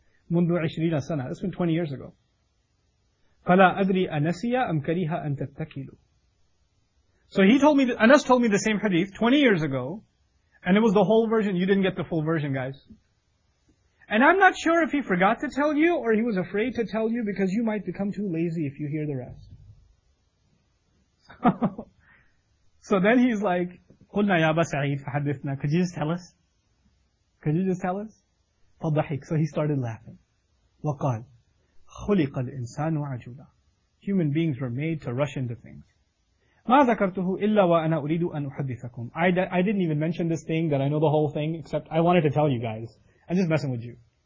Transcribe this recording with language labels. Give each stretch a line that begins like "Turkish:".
Arabic: مُنْدُ عِشْرِينَ سَنَةً.
English: This was 20 years ago.
Arabic: فَلَا أَدْرِي أَنَسِيَ أَمْ كَرِيهَ أَنْ تَتَّكِلُ.
English: So he told me, Anas told me the same hadith 20 years ago, and it was the whole version. You didn't get the full version, guys. And I'm not sure if he forgot to tell you, or he was afraid to tell you, because you might become too lazy if you hear the rest. So then he's like,
Arabic: قُلْنَا يَا أَبَا سَعِيدٍ فَحَدِّثْنَا.
English: Could you just tell us? Could you just tell us?
Arabic: فضحك.
English: So he started laughing.
Arabic: وقال خلق الإنسان عجولا.
English: Human beings were made to rush into things.
Arabic: مَا ذَكَرْتُهُ إِلَّا وَأَنَا أُرِيدُ أَنْ أُحَدِّثَكُمْ
English: I didn't even mention this thing that I know the whole thing, except I wanted to tell you guys. I'm just messing with you.